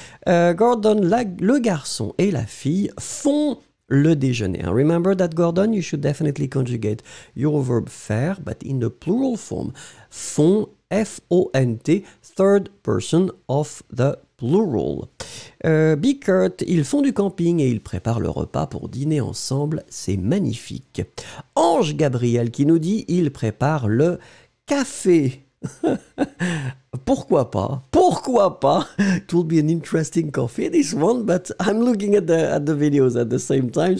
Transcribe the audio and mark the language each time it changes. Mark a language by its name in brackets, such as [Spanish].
[French] Gordon, le garçon et la fille font le déjeuner. [English] Remember that, Gordon, you should definitely conjugate your verb faire, but in the plural form, font, F-O-N-T, third person of the plural. [French] Bickert, ils font du camping et ils préparent le repas pour dîner ensemble. C'est magnifique. Ange Gabriel qui nous dit, ils préparent le café. Pourquoi pas? Pourquoi pas? [English] It will be an interesting coffee, this one, but I'm looking at the videos at the same time.